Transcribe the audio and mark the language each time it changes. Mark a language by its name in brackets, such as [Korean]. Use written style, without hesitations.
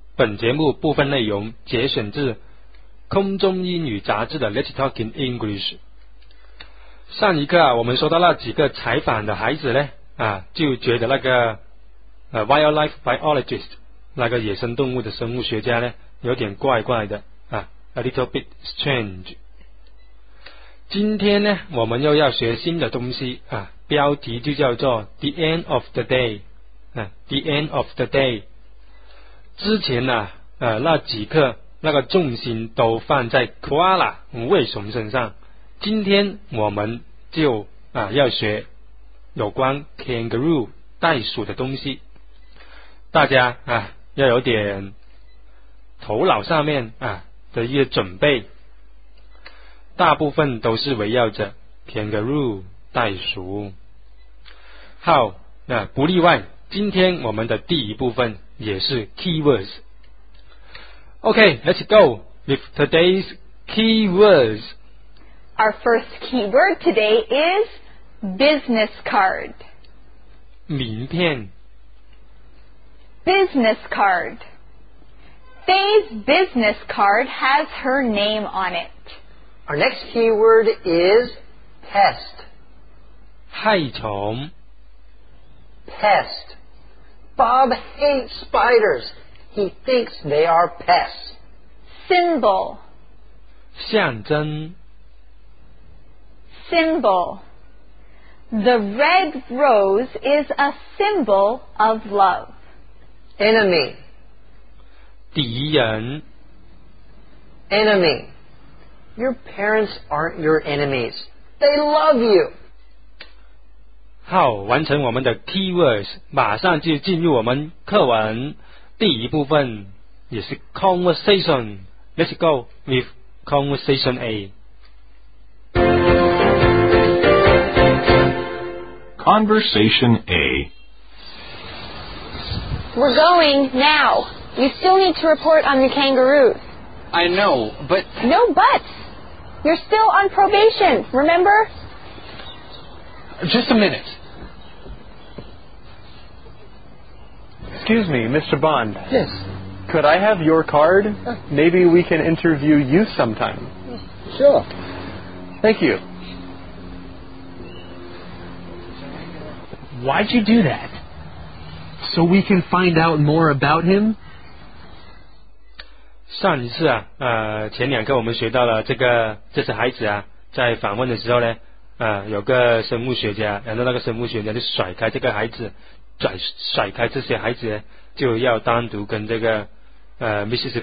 [Chinese] 本节目部分内容节选自空中英语杂志的 Let's Talk in English。上一课啊，我们说到那几个采访的孩子呢，啊，就觉得那个wildlife biologist 那个野生动物的生物学家呢，有点怪怪的啊 ， [English] a little bit strange。 [Chinese] 今天呢，我们又要学新的东西啊，标题就叫做 The End of the Day 啊 ，The End of the Day。之前呢，那几课那个重心都放在 koala 为什么身上。今天我们就要学有关 kangaroo 袋鼠的东西，大家要有点头脑上面的一些准备，大部分都是围绕着 kangaroo 袋鼠。好，那不例外，今天我们的第一部分也是 keywords。 [English] OK, let's go with today's keywords Our first keyword today is business card. [Chinese] 名片。 [English] Business card. Faye's business card has her name on it. Our next keyword is pest. [Chinese] 害虫。 [English] Pest. Bob hates spiders. He thinks they are pests. Symbol. [Chinese] 象征。 [English] Symbol. The red rose is a symbol of love. Enemy. [Chinese] 敌人。 [English] Enemy. Your parents aren't your enemies. They love you. [Chinese] 好，完成我们的 keywords, 马上就进入我们课文第一部分，也是 conversation. [English] Let's go with conversation A. Conversation A. We're going now. You still need to report on the kangaroos. I know, but... No buts. You're still on probation, remember? Just a minute. Excuse me, Mr. Bond. Yes. Could I have your card? Maybe we can interview you sometime. Sure. Thank you. Why'd you do that? So we can find out more about him? [Chinese] 上一次啊，前两课我们学到了这次孩子啊，在访问的时候呢，有个生物学家，然后那个生物学家就甩开这个孩子，甩开这些孩子，就要单独跟这个Mrs.